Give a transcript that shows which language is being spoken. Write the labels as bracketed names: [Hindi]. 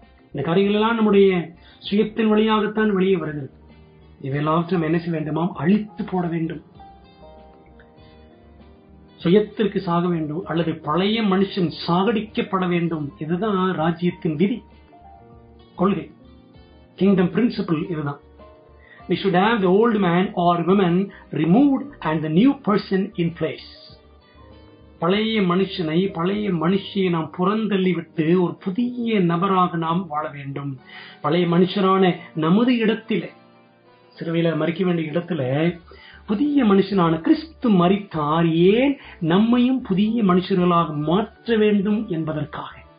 [Tamil] இந்த காரியங்கள் எல்லாம் நம்முடைய சுயத்தின் வழியாகத்தான் வெளியே வருது. இவையெல்லாம் என்ன வேண்டுமாம், அழித்து போட வேண்டும். சுயத்திற்கு சாக வேண்டும், அல்லது பழைய மனுஷன் சாகடிக்கப்பட வேண்டும். இதுதான் ராஜ்யத்தின் விதி, கொள்கை, [English] Kingdom principle. [Tamil] இதுதான் [English] we should have the old man or woman removed and the new person in place. [Tamil] பழைய மனுஷனை, பழைய மனுஷியை நாம் புறந்தள்ளிவிட்டு ஒரு புதிய நபராக நாம் வாழ வேண்டும். பழைய மனுஷரான நமது இடத்தில், சிறுவையில் மறிக்க வேண்டிய இடத்துல புதிய மனுஷனான கிறிஸ்து மரித்தார். ஏன் நம்மையும் புதிய மனுஷர்களாக மாற்ற வேண்டும் என்பதற்காக.